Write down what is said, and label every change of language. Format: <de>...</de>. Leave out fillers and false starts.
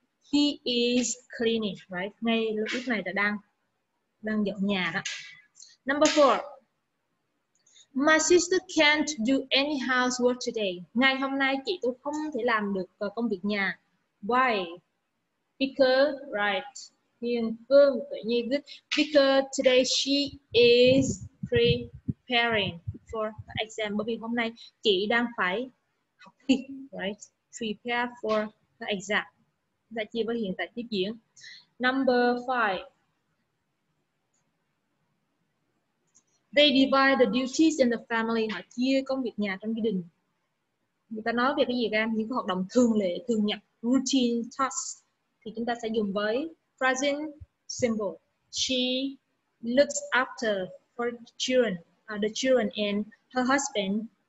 <en>He is cleaning, right?</en> <vi>Ngay lúc này là đang dọn nhà đó.</vi> <en>Number four. My sister can't do any housework today.</en> <vi>Ngày hôm nay chị tôi không thể làm được công việc nhà.</vi> <en>Why?</en> <vi>Because, right? Hiền Phương tự nhiên biết.</vi> <en>Because today she is preparing for the exam.</en> <vi>Bởi vì hôm nay chị đang phải học thi, right?</vi> <en>Prepare for the exam.</en> <vi>Chúng ta chia với hiện tại tiếp diễn.</vi> <en>Number five. They divide the duties in the family.</en> <vi>Họ chia công việc nhà trong gia đình. Người ta nói về cái gì các em? Những hoạt động thường lệ, thường nhật, routine tasks. Thì chúng ta sẽ dùng với present simple.</vi> <en>She looks after her children, the children and her husband.</en>